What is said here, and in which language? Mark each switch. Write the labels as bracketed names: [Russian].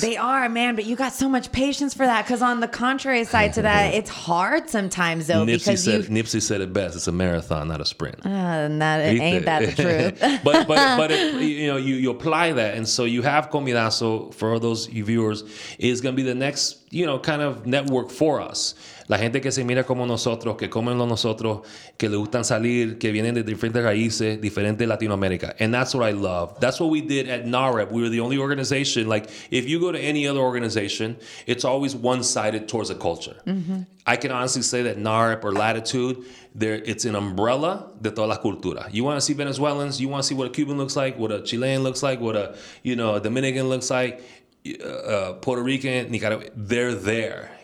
[English] They are, man, but you got so much patience for that. Because on the contrary side to that, it's hard sometimes, though. Nipsey said it best. It's a marathon, not a sprint. Ain't that the truth. but you apply that. And so you have Comidazo, for those viewers, is going to be the next, you know, kind of network for us. [Spanish] La gente que se mira como nosotros, que comen lo nosotros, que le gustan salir, que vienen de diferentes raíces, diferentes Latinoamérica. [English] And that's what I love. That's what we did at NAREP. We were the only organization. Like, if you go to any other organization, it's always one-sided towards a culture. Mm-hmm. I can honestly say that NAREP or Latitude, it's an umbrella [Spanish] de toda la cultura. [English] You want to see Venezuelans, you want to see what a Cuban looks like, what a Chilean looks like, what a, you know, a Dominican looks like, Puerto Rican, Nicaragua, they're there.